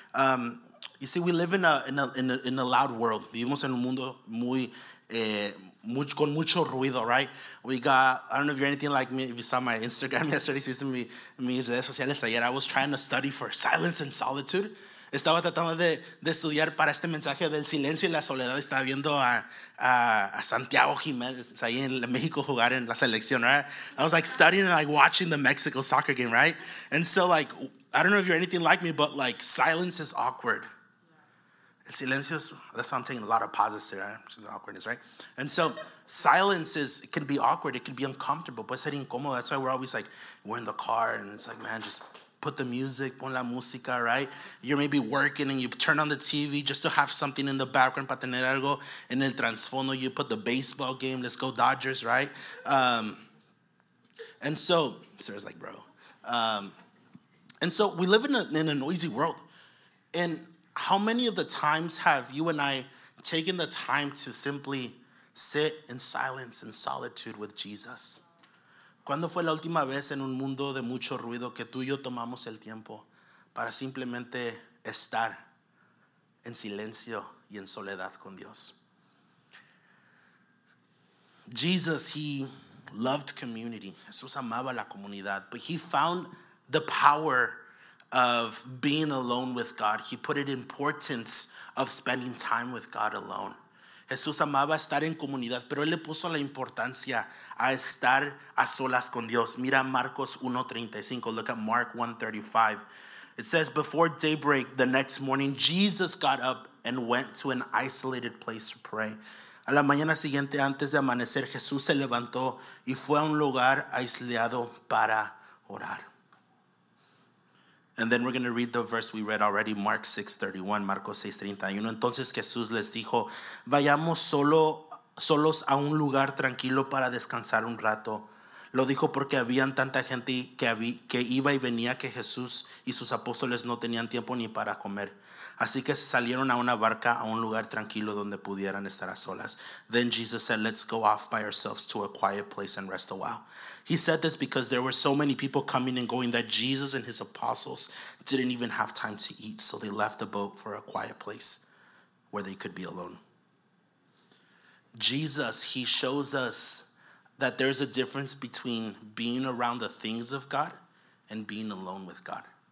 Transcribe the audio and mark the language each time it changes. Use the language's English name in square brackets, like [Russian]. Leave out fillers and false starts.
[English] You see, we live in a loud world. [Spanish] Vivimos en un mundo muy, con mucho ruido, right? [English] We got, I don't know if you're anything like me, if you saw my Instagram yesterday, [Spanish] si viste mis redes sociales ayer, [English] I was trying to study for silence and solitude. [Spanish] Estaba tratando de estudiar para este mensaje del silencio y la soledad. Estaba viendo a Santiago Jiménez ahí en México jugar en la selección, [English] right? I was like studying and like watching the Mexico soccer game, right? And so like, I don't know if you're anything like me, but like silence is awkward. [Spanish] El silencio [English] is, that's why I'm taking a lot of pauses here, right? The awkwardness, right? And so silence is, it can be awkward, it can be uncomfortable, [Spanish] puede ser incómodo. [English] That's why we're always like, we're in the car, and it's like, man, just put the music, [Spanish] pon la música, [English] right? You're maybe working, and you turn on the TV just to have something in the background, [Spanish] para tener algo en el transfondo. [English] You put the baseball game, let's go Dodgers, right? And so, Sarah's like, bro. And so we live in a noisy world, and how many of the times have you and I taken the time to simply sit in silence and solitude with Jesus? [Spanish] ¿Cuándo fue la última vez en un mundo de mucho ruido que tú y yo tomamos el tiempo para simplemente estar en silencio y en soledad con Dios? [English] Jesus, he loved community. [Spanish] Jesús amaba la comunidad, [English] but he found the power of being alone with God. He put it importance of spending time with God alone. [Spanish] Jesús amaba estar en comunidad, pero él le puso la importancia a estar a solas con Dios. Mira Marcos 1:35. [English] Look at Mark 1:35. It says, before daybreak the next morning, Jesus got up and went to an isolated place to pray. [Spanish] A la mañana siguiente, antes de amanecer, Jesús se levantó y fue a un lugar aislado para orar. [English] And then we're going to read the verse we read already, Mark 6:31, Marcos 6:31. [Spanish] Entonces Jesús les dijo, vayamos solos a un lugar tranquilo para descansar un rato. Lo dijo porque habían tanta gente que iba y venía que Jesús y sus apóstoles no tenían tiempo ni para comer. Así que salieron a una barca a un lugar tranquilo donde pudieran estar a solas. [English] Then Jesus said, let's go off by ourselves to a quiet place and rest a while. He said this because there were so many people coming and going that Jesus and his apostles didn't even have time to eat. So they left the boat for a quiet place where they could be alone. Jesus, he shows us that there's a difference between being around the things of God and being alone with God.